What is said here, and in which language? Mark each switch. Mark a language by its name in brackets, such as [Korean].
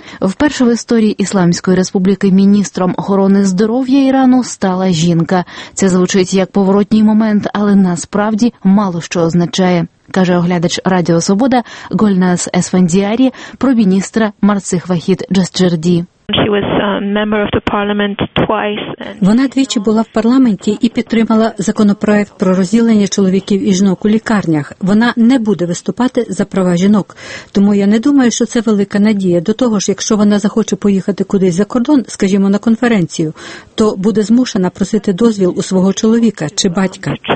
[Ukrainian] Вперше в історії Ісламської республіки міністром охорони здоров'я Ірану стала жінка. Це звучить як поворотній момент, але насправді мало що означає, каже оглядач Радіо Свобода Гольназ Есфандіарі про міністра Марцих Вахід Джасджерді. [English] She She was a member of the parliament twice. [Ukrainian] Вона двічі була в парламенті і підтримала законопроект про розділення чоловіків і жінок у лікарнях. Вона не буде виступати за права жінок. Тому я не думаю, що це велика надія. До того ж, якщо вона захоче поїхати кудись за кордон, скажімо, на конференцію, то буде змушена просити дозвіл у свого чоловіка чи батька.